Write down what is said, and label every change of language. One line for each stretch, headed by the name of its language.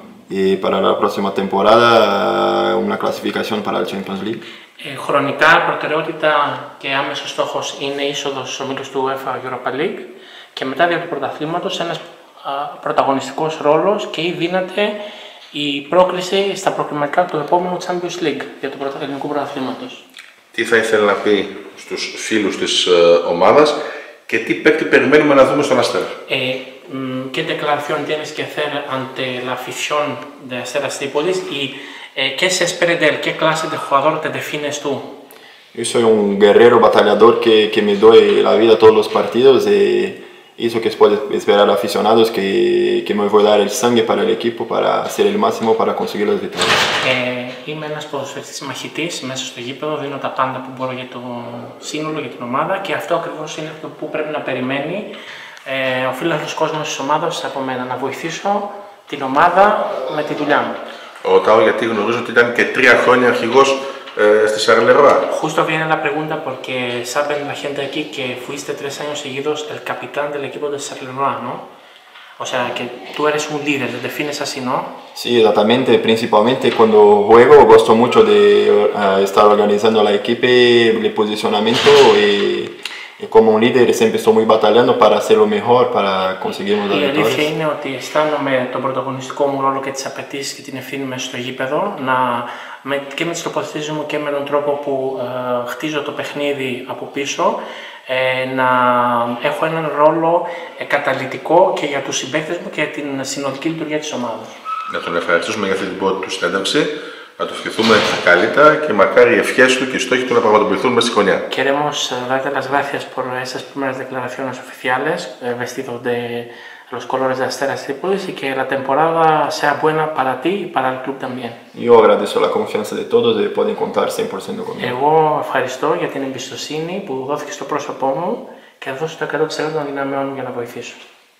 Spanish: Y para la próxima temporada, una clasificación para el Champions League.
Greek: Χρονικά, προτεραιότητα και άμεσος στόχος είναι η είσοδος στους ομίλους του UEFA Europa League και μετά δια του πρωταθλήματος ένας πρωταγωνιστικός ρόλος και ή δύναται η πρόκριση στα προκριματικά του επόμενου Champions League για το ελληνικό πρωταθλήματος. Τι θα ήθελα να πει στους φίλους της ομάδας και τι παίκτη περιμένουμε να δούμε στον Αστέρα.
Spanish: ¿Qué declaración tienes que hacer ante la afición de Aseras Tripolis y qué se espera de él? ¿Qué clase de jugador te defines tú? Yo soy un guerrero batallador que me doy la vida todos los partidos y eso que puede esperar aficionados que me voy a dar el sangre para el equipo para hacer el máximo para conseguir las victorias.
Greek: Είμαι ένας ποδοσφαιριστής μαχητής μέσα στο γήπεδο, δίνω τα πάντα που μπορώ για το σύνολο, για την ομάδα και αυτό ακριβώς είναι αυτό που πρέπει να περιμένει ο φίλαθλος κόσμος της ομάδας από μένα, να βοηθήσω την ομάδα με τη δουλειά μου. Ρωτάω γιατί γνωρίζω ότι ήταν και 3 χρόνια αρχηγός στη Σαρλεροά.
Spanish: Justo viene la pregunta porque saben la gente aquí que fuiste 3 años seguidos el capitán del equipo de Sarleroa, ¿no? O sea, que tú eres un líder, te defines así, ¿no? Sí, exactamente. Principalmente cuando juego, gusto mucho de estar organizando la equipo, el posicionamiento y como un líder siempre estoy muy batallando para hacer lo mejor, para conseguir los resultados. Y la diferencia
Greek: είναι ότι αισθάνομαι τον πρωταγωνιστικό μου ρόλο και τις απαιτήσεις και την ευθύνη μέσα στο γήπεδο, και με τις τοποθετήσεις μου και με τον τρόπο που χτίζω το παιχνίδι από πίσω, να έχω έναν ρόλο καταλυτικό και για τους συμπαίκτες μου και την συνολική λειτουργία της ομάδας. Να τον ευχαριστήσουμε για αυτή την πρώτη του συνέντευξη, να του ευχηθούμε τα καλύτερα και μακάρι οι ευχές του και οι στόχοι του να πραγματοποιηθούν μέσα στη χρονιά.
Spanish: Queremos darte las gracias por esas primeras declaraciones oficiales, vestido de los colores de Asteras Tripolis y que la temporada sea buena para ti y para el club también. Yo agradezco la confianza de todos y pueden contar 100% conmigo.
Greek: Εγώ ευχαριστώ για την εμπιστοσύνη που δόθηκε στο πρόσωπό μου και δώσω το 100% των δυναμιών για να βοηθήσω.